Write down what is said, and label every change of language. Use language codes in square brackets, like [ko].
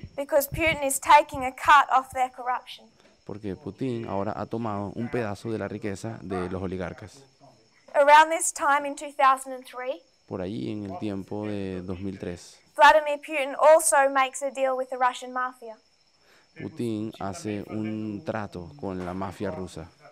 [en] Because Putin is taking a cut off their corruption. [es] Porque Putin ahora ha tomado un pedazo de la riqueza de los oligarcas. [en] Around this time in 2003. [es] Por allí en el tiempo de 2003. [en] Vladimir Putin also makes a deal with the Russian mafia. [es] Putin hace un trato con la mafia rusa.